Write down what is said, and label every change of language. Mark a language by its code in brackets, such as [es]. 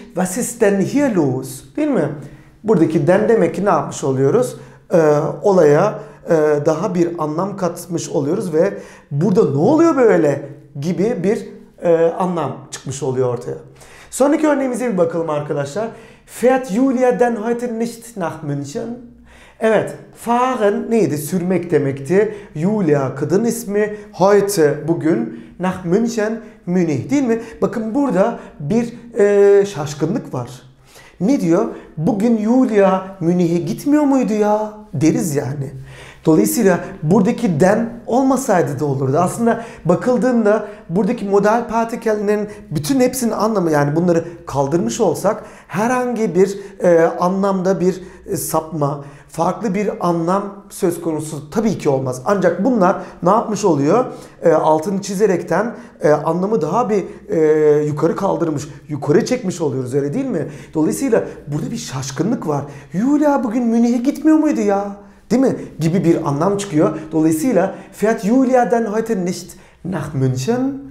[de] Was ist denn hier los? [tr] Değil mi? Buradaki den demek ki ne yapmış oluyoruz? Olaya daha bir anlam katmış oluyoruz ve burada ne oluyor böyle gibi bir anlam çıkmış oluyor ortaya. Sonraki örneğimize bir bakalım arkadaşlar. [de] Fährt Julia denn heute nicht nach München? [tr] Evet, fahren neydi? Sürmek demekti. Julia kadın ismi, heute bugün, nach München, Münih, değil mi? Bakın burada bir şaşkınlık var. Ne diyor? Bugün Julia Münih'e gitmiyor muydu ya? Deriz yani. Dolayısıyla buradaki den olmasaydı da olurdu. Aslında bakıldığında buradaki modal partikellerinin bütün hepsinin anlamı, yani bunları kaldırmış olsak herhangi bir anlamda bir sapma, farklı bir anlam söz konusu tabii ki olmaz. Ancak bunlar ne yapmış oluyor? Altını çizerekten anlamı daha bir yukarı kaldırmış, yukarı çekmiş oluyoruz, öyle değil mi? Dolayısıyla burada bir şaşkınlık var. Julia bugün Münih'e gitmiyor muydu ya? Değil mi? Gibi bir anlam çıkıyor. [de] Dolayısıyla Fährt Julia denn heute nicht nach München?